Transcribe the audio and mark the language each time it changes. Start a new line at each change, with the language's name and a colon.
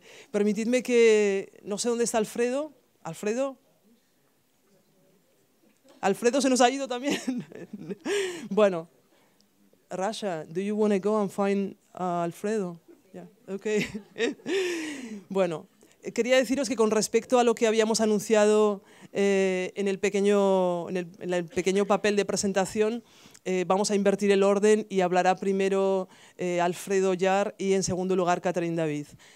Spanish: Permitidme que, no sé dónde está Alfredo. ¿Alfredo? ¿Alfredo se nos ha ido también? Bueno,
English: Rasha, do you want to go and find Alfredo? Yeah. Okay.
Spanish: Bueno, quería deciros que con respecto a lo que habíamos anunciado en el pequeño papel de presentación, vamos a invertir el orden y hablará primero Alfredo Jaar y en segundo lugar Catherine David.